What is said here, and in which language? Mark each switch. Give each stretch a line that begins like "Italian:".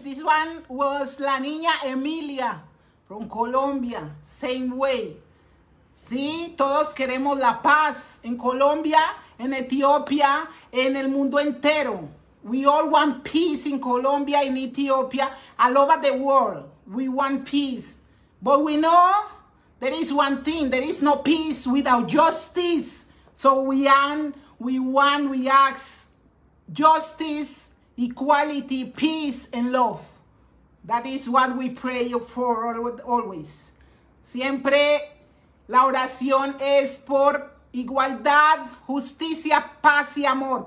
English: This one was La Niña Emilia from Colombia. Same way.
Spanish: Sí, todos queremos la paz en Colombia, en Etiopía, en el mundo entero.
English: We all want peace in Colombia, in Ethiopia, all over the world. We want peace. But we know there is one thing. There is no peace without justice. So we ask justice, equality, peace, and love. That is what we pray for always.
Spanish: Siempre la oración es por igualdad, justicia, paz y amor.